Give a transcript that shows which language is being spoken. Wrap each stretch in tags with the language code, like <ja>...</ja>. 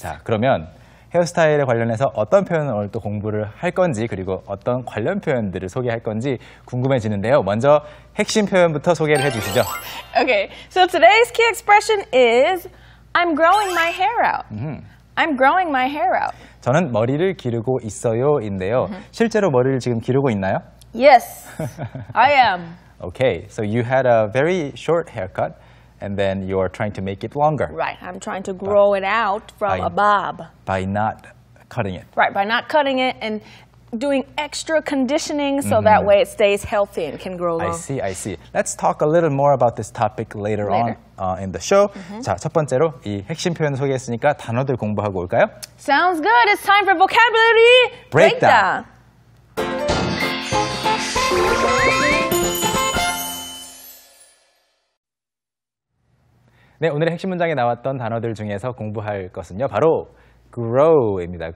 <ko>자, 그러면 헤어스타일에 관련해서 어떤 표현을 오늘 또 공부를 할 건지 그리고 어떤 관련 표현들을 소개할 건지 궁금해지는데요. 먼저 핵심 표현부터 소개를 해주시죠.</ko> <en>Okay, so today's key expression is I'm growing my hair out. I'm growing my hair out.</en> <ko>저는 머리를 기르고 있어요 인데요. 실제로 머리를 지금 기르고 있나요?</ko> <en>Yes, I am. Okay, so you had a very short haircut. And then you are trying to make it longer. Right. I'm trying to grow it out from a bob. By not cutting it. Right. By not cutting it and doing extra conditioning so that way it stays healthy and can grow long. I see. I see. Let's talk a little more about this topic later on in the show. Mm-hmm.</en> <ko>자, 첫 번째로 이 핵심 표현을 소개했으니까 단어들 공부하고 올까요?</ko> <en>Sounds good. It's time for vocabulary breakdown.</en> <ko>Yes, 오늘의 핵심 문장에 나왔던 단어들 중에서 공부할 것은요, 바로 grow입니다.</ko>